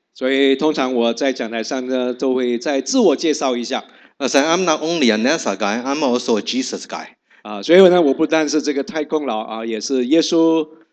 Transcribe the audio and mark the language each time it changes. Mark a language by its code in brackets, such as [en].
[zh] 所以通常我在讲台上呢，都会再自我介绍一下。 [en] As I'm not only a NASA guy, I'm also a Jesus guy. [zh] 所以呢，我不但是这个太空佬，也是耶稣。